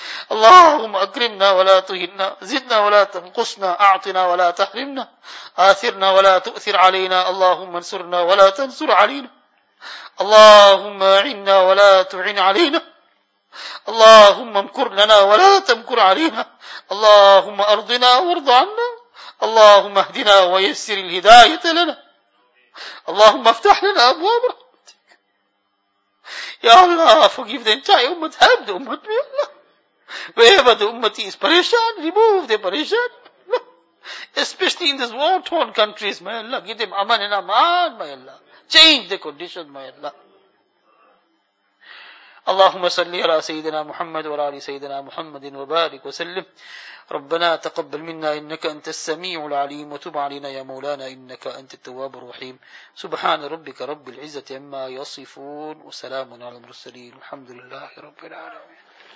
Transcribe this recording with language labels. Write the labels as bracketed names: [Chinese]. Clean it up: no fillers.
[Arabic] اللهم أكرمنا ولا تهنا زدنا ولا تنقصنا أعطنا ولا تحرمنا آثرنا ولا تؤثر علينا اللهم انصرنا ولا تنصر علينا اللهم عنا ولا تعن علينا اللهم امكر لنا ولا تمكر علينا اللهم أرضنا وارض عنا اللهم اهدنا ويسر الهداية لنا اللهم افتح لنا أبواب رحمتك يا الله [English] forgive the entire ummah help the ummah يا الله Wherever the ummati is parishan, remove their parishan. Especially in these war-torn countries, my Allah. Give them aman and aman, my Allah. Change the condition, my Allah. [Arabic] اللهم صل على سيدنا محمد وعلى آل سيدنا محمد وبارك وسلم. ربنا تقبل منا إنك أنت السميع العليم، وتب علينا يا مولانا إنك أنت التواب الرحيم. سبحان ربك رب العزة عما يصفون، وسلام على المرسلين، الحمد لله رب العالمين.